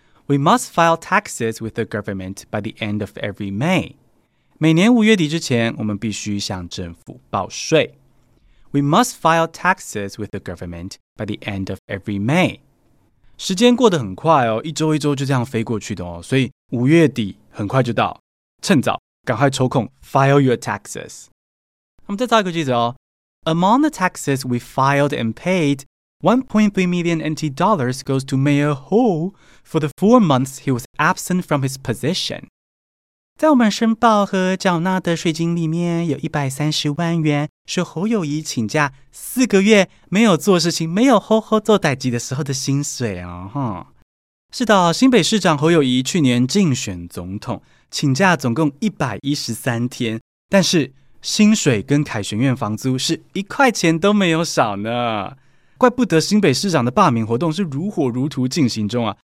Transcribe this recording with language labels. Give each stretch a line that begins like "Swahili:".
English: We must file taxes with the government by the end of every May.
Chinese: 每年五月底之前我们必须向政府报税。
English: We must file taxes with the government by the end of every May.
Chinese: 时间过得很快哦，一周一周就这样飞过去的哦，所以五月底很快就到。趁早赶快抽空
English: file your taxes.
Chinese: 我们再造一个句子哦。
English: Among the taxes we filed and paid, $1.3 million NT goes to Mayor Ho for the 4 months he was absent from his position.
Chinese: 在我们申报和缴纳的税金里面有130万元是侯友宜请假四个月没有做事情没有吼吼做代级的时候的薪水哦。是的，新北市长侯友宜去年竞选总统请假总共113天，但是薪水跟凯旋院房租是一块钱都没有少呢，怪不得新北市长的罢免活动是如火如荼进行中啊！